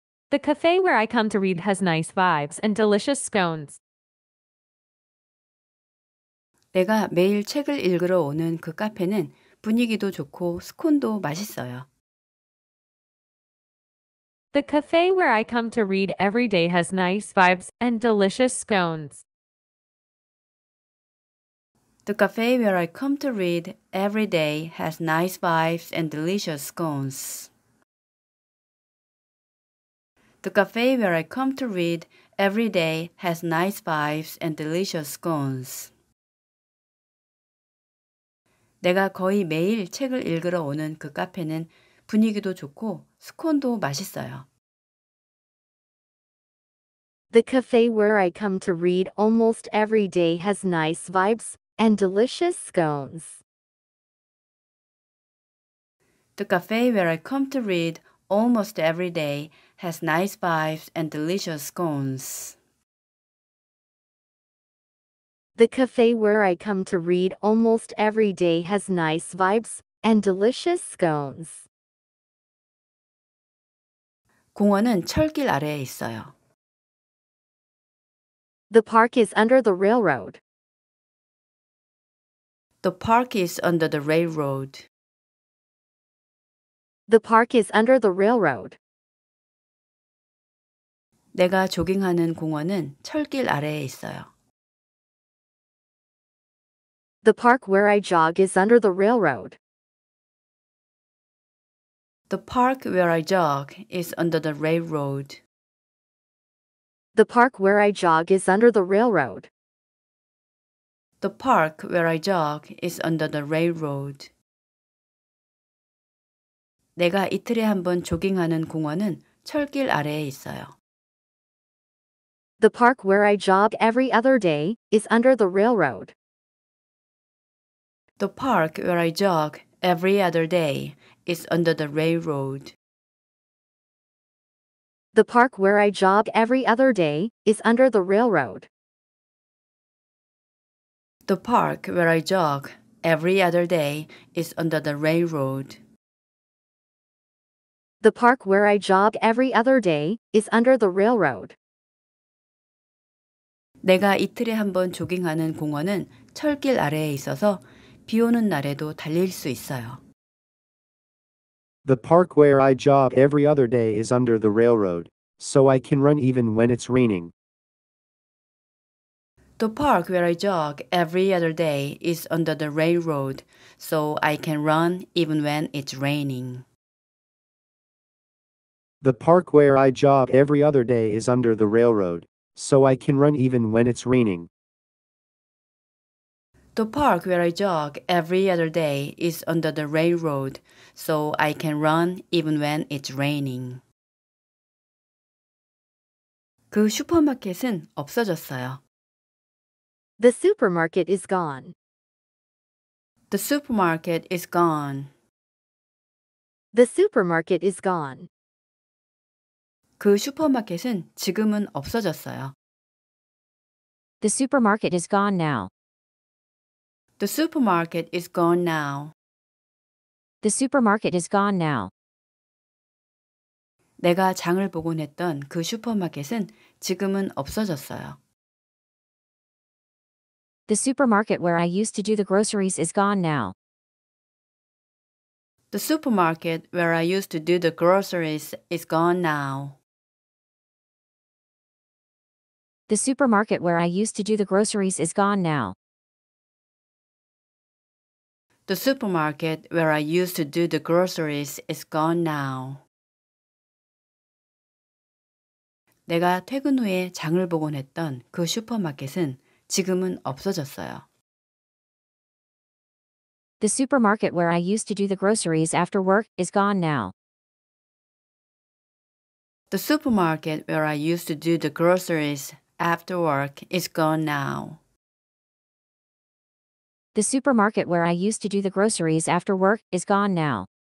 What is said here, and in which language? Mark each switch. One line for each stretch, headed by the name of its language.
English: The cafe where I come to read has nice vibes and delicious scones.
Korean: 내가 매일 책을 읽으러 오는 그 카페는 분위기도 좋고 스콘도 맛있어요.
English: The cafe where I come to read every day has nice vibes and delicious scones. The cafe where I come to read every day has nice vibes and delicious scones. The cafe where I come to read every day has nice vibes and delicious scones.
Korean: 내가 거의 매일 책을 읽으러 오는 그 카페는 분위기도 좋고 스콘도 맛있어요.
English: The cafe where I come to read almost every day has nice vibes and delicious scones. The cafe where I come to read almost every day has nice vibes and delicious scones. The cafe where I come to read almost every day has nice vibes and delicious scones.
Korean: 공원은 철길 아래에 있어요.
English: The park is under the railroad. The park is under the railroad. The park is under the railroad.
Korean: 내가 조깅하는 공원은 철길 아래에 있어요.
English: The park where I jog is under the railroad. The park where I jog is under the railroad. The park where I jog is under the railroad. The park where I jog is under the railroad.
Korean: 내가 이틀에 한 번 조깅하는 공원은 철길 아래에 있어요.
English: The park where I jog every other day is under the railroad. The park where I jog every other day is under the railroad. The park where I jog every other day is under the railroad. The park where I jog every other day is under the railroad. The park where I jog every other day is under the railroad.
Korean: 내가 이틀에 한 번 조깅하는 공원은 철길 아래에 있어서 비 오는 날에도 달릴 수 있어요.
English: The park where I jog every other day is under the railroad, so I can run even when it's raining. The park where I jog every other day is under the railroad, so I can run even when it's raining. The park where I jog every other day is under the railroad, so I can run even when it's raining. The park where I jog every other day is under the railroad, so I can run even when it's raining.
Korean: 그 슈퍼마켓은 없어졌어요.
English: The supermarket is gone. The supermarket is gone. The supermarket is gone.
Korean: 그 슈퍼마켓은 지금은 없어졌어요.
English: The supermarket is gone now. The supermarket is gone now. The supermarket is gone now.
Korean: 내가 장을 보고 냈던 그 슈퍼마켓은 지금은 없어졌어요.
English: The supermarket where I used to do the groceries is gone now. The supermarket where I used to do the groceries is gone now. The supermarket where I used to do the groceries is gone now. The supermarket where I used to do the groceries is gone now.
Korean: 내가 퇴근 후에 장을 보곤 했던 그 슈퍼마켓은 지금은 없어졌어요.
English: The supermarket where I used to do the groceries after work is gone now. The supermarket where I used to do the groceries after work is gone now. The supermarket where I used to do the groceries after work is gone now.